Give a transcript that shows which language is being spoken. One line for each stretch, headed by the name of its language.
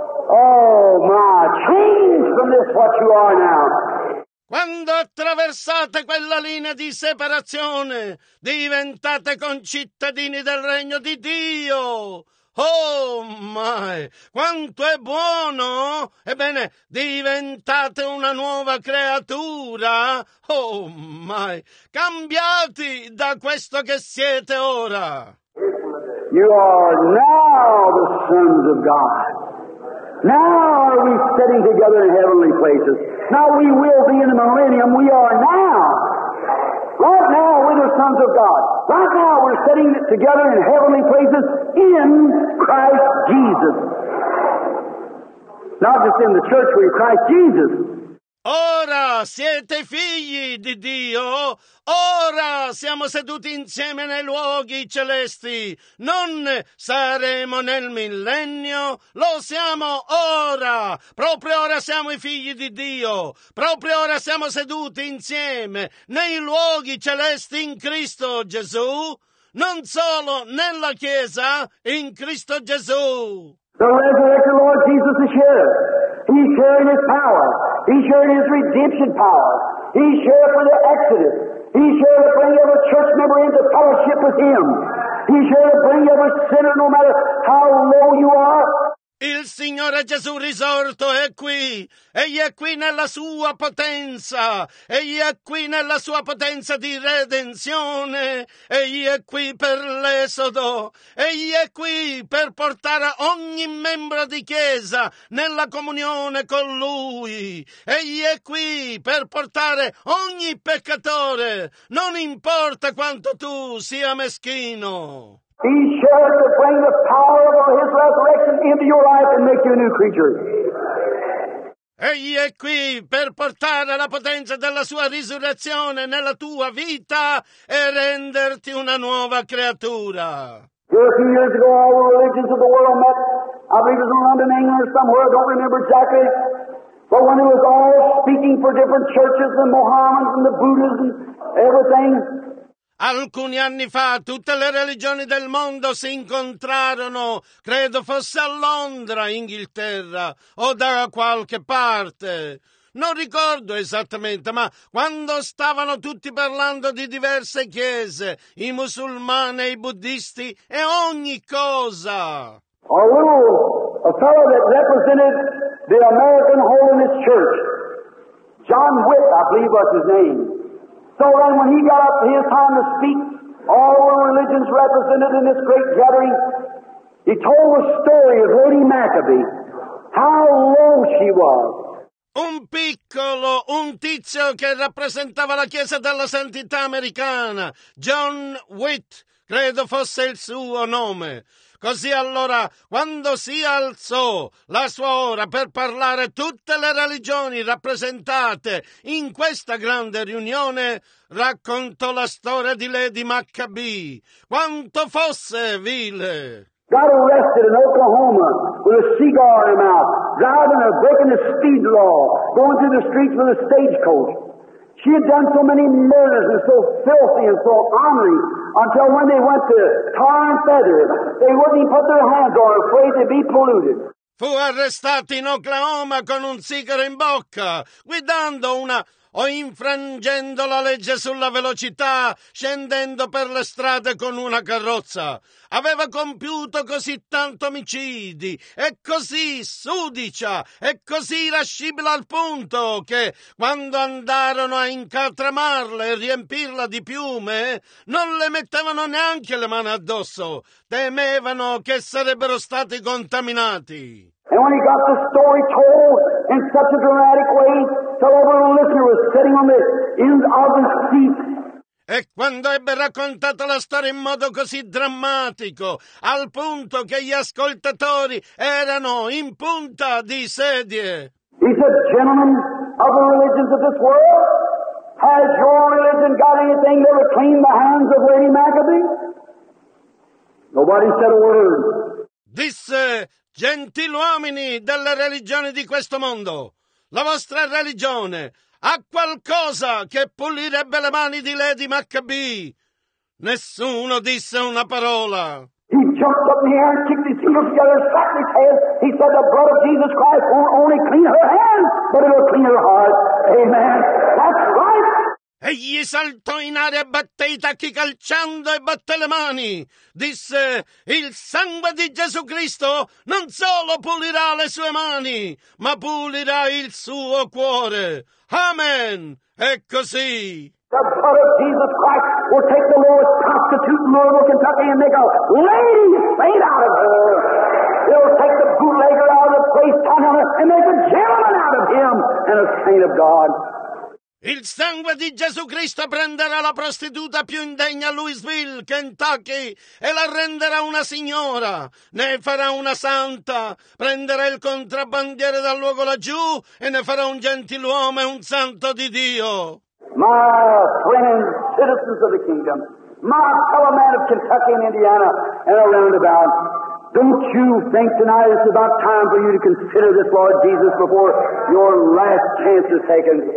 English: Oh, my. Change from this what you are now.
Italian: Quando attraversate quella linea di separazione, diventate concittadini del regno di Dio.
English: Oh, my!
Italian: Quanto è buono! Ebbene, diventate una nuova creatura!
English: Oh, my!
Italian: Cambiati da questo che siete ora!
English: You are now the sons of God. Now are we sitting together in heavenly places. Now we will be in the millennium. We are now. Right now we're the sons of God. Right now we're sitting together in heavenly places in Christ Jesus. Not just in the church, we're in Christ Jesus.
Italian: Ora siete figli di Dio, ora siamo seduti insieme nei luoghi celesti, non saremo nel millennio, lo siamo ora, proprio ora siamo i figli di Dio, proprio ora siamo seduti insieme nei luoghi celesti in Cristo Gesù, non solo nella Chiesa, in Cristo Gesù.
English: The resurrected Lord Jesus is here. He's here in His power. He's here in His redemption power. He's here for the exodus. He's here to bring every church member into fellowship with Him. He's here to bring every sinner, no matter how low you are.
Italian: Il Signore Gesù risorto è qui. Egli è qui nella sua potenza. Egli è qui nella sua potenza di redenzione. Egli è qui per l'esodo. Egli è qui per portare ogni membro di chiesa nella comunione con Lui. Egli è qui per portare ogni peccatore, non importa quanto tu sia meschino.
English: He's here to bring the power of His resurrection into your life and make you a new creature.
Italian: Egli è qui per portare la potenza della sua risurrezione nella tua vita e renderti una nuova creatura.
English: A few years ago, all the religions of the world met. I believe it was in London, England, somewhere. I don't remember exactly. But when it was all speaking for different churches, the Mohammedans and the Buddhists and everything.
Italian: Alcuni anni fa tutte le religioni del mondo si incontrarono, credo fosse a Londra, Inghilterra, o da qualche parte. Non ricordo esattamente, ma quando stavano tutti parlando di diverse chiese, i musulmani, i buddhisti e ogni cosa.
English: A fellow that represented the American Holiness Church, John Witt, I believe was his name. So then when he got up to his time to speak, all the religions represented in this great gathering, he told the story of Lady Maccabee, how low she was.
Italian: Un piccolo, un tizio che rappresentava la Chiesa della Santità Americana, John Witt, credo fosse il suo nome. Così allora, quando si alzò la sua ora per parlare tutte le religioni rappresentate in questa grande riunione, raccontò la storia di Lady Maccabee. Quanto fosse vile!
English: Got arrested in Oklahoma with a cigar in her mouth, driving her, breaking the speed law, going through the streets with a stagecoach. She had done so many murders and so filthy and so honoring. Until when they went to tar and feather, they wouldn't put their hands on, afraid to be polluted.
Italian: Fu arrestato in Oklahoma con un sigaro in bocca, guidando una o infrangendo la legge sulla velocità, scendendo per le strade con una carrozza. Aveva compiuto così tanto omicidi, e così sudicia, e così irascibile al punto che, quando andarono a incatramarla e riempirla di piume, non le mettevano neanche le mani addosso. Temevano che sarebbero stati contaminati.
English: And when he got the story told in such a dramatic way, the little listener was sitting on the end of his seat.
Italian: E quando ebbe raccontato la storia in modo così drammatico, al punto che gli ascoltatori erano in punta di sedie.
English: He said, gentlemen of the religions of this world, has your religion got anything that would clean the hands of Lady Maccabee? Nobody said a word.
Italian: Disse, gentiluomini delle religioni di questo mondo, la vostra religione ha qualcosa che pulirebbe le mani di Lady Maccabee? Nessuno disse una parola.
English: He jumped up in the air and kicked his heels together and slapped his head. He said the blood of Jesus Christ won't only clean her hands, but it will clean her heart. Amen. That's right.
Italian: E Egli saltò in aria e batté i tacchi calciando e batté le mani. Disse, il sangue di Gesù Cristo non solo pulirà le sue mani, ma pulirà il suo cuore. Amen. È così.
English: The blood of Jesus Christ will take the lowest prostitute in Louisville, Kentucky, and make a lady saint out of her. He'll take the bootlegger out of the place, come on her, and make a gentleman out of him and a saint of God.
Italian: Il sangue di Gesù Cristo prenderà la prostituta più indegna a Louisville, Kentucky, e la renderà una signora. Ne farà una santa. Prenderà il contrabbandiere dal luogo laggiù e ne farà un gentiluomo e un santo di Dio.
English: My friends, citizens of the kingdom, my fellow man of Kentucky and Indiana and around about, don't you think tonight it's about time for you to consider this Lord Jesus before your last chance is taken?